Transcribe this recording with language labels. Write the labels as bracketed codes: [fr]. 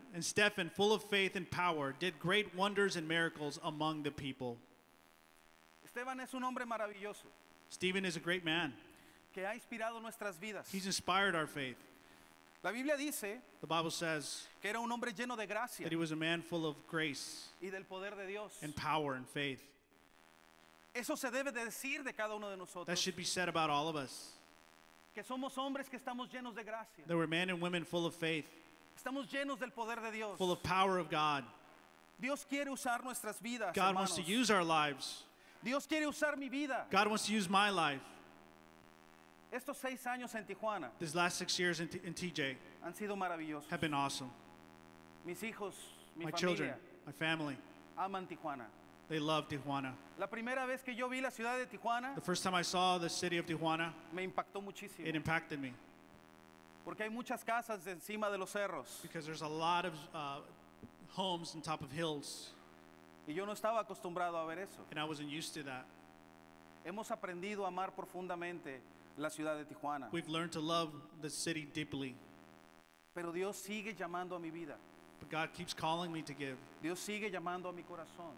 [en] And Stephen, full of faith and power, did great wonders and miracles among the people. [es] Esteban es un hombre maravilloso. [en] Stephen is a great man. [es] Que ha inspirado nuestras vidas. [en] He's inspired our faith. [es] La Biblia dice, [en] the Bible says, [es] que era un hombre lleno de gracia, [en] that he was a man full of grace, [es] y del poder de Dios, [en] and power and faith. [es] Eso se debe de decir de cada uno de nosotros. [en] That should be said about all of us. [es] Que somos hombres que estamos llenos de gracia. [en] There were men and women full of faith. [es] Estamos llenos del poder de Dios. [en] Full of power of God. [es] Dios quiere usar nuestras vidas, [en] God [es] hermanos. [en] Wants to use our lives. [es] Dios quiere usar mi vida. [en] God wants to use my life. [es] Estos seis años en Tijuana. [en] These last 6 years in TJ. [es] Han sido maravillosos. [en] Have been awesome. [es] Mis hijos, mi [en] my children, [es] familia. [en] My family. [es] Aman Tijuana. [en] They love Tijuana. [es] La primera vez que yo vi la ciudad de Tijuana, [en] the first time I saw the city of Tijuana, [es] me impactó muchísimo. [en] It impacted me. [es] Porque hay muchas casas encima de los cerros. [en] Because there's a lot of homes on top of hills. [es] Y yo no estaba acostumbrado a ver eso. [en] And I wasn't used to that. [es] Hemos aprendido a amar profundamente la ciudad de Tijuana. [en] We've learned to love the city deeply. [es] Pero Dios sigue llamando a mi vida. [en] But God keeps calling me to give. [es] Dios sigue llamando a mi corazón.